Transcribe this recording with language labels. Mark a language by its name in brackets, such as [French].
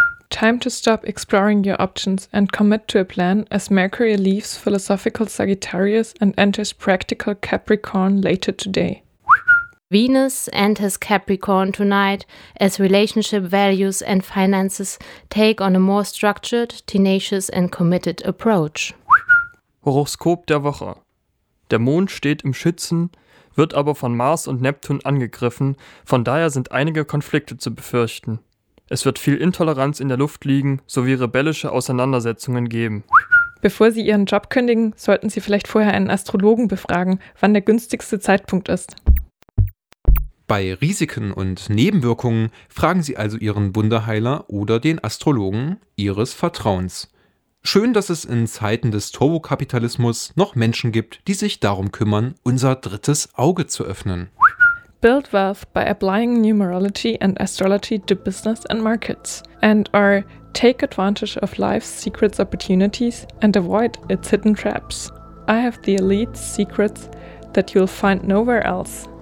[English] Time to stop exploring your options and commit to a plan as Mercury leaves philosophical Sagittarius and enters practical Capricorn later today. Venus enters Capricorn tonight as relationship values and finances take on a more structured, tenacious and committed approach. [German] Horoskop der Woche. Der Mond steht im Schützen, wird aber von Mars und Neptun angegriffen, von daher sind einige Konflikte zu befürchten. Es wird viel Intoleranz in der Luft liegen, sowie rebellische Auseinandersetzungen geben. Bevor Sie Ihren Job kündigen, sollten Sie vielleicht vorher einen Astrologen befragen, wann der günstigste Zeitpunkt ist. Bei Risiken und Nebenwirkungen fragen Sie also Ihren Wunderheiler oder den Astrologen Ihres Vertrauens. Schön, dass es in Zeiten des Turbokapitalismus noch Menschen gibt, die sich darum kümmern, unser drittes Auge zu öffnen. [English] Build wealth by applying numerology and astrology to business and markets, and or take advantage of life's secrets opportunities and avoid its hidden traps. I have the elite secrets that you'll find nowhere else.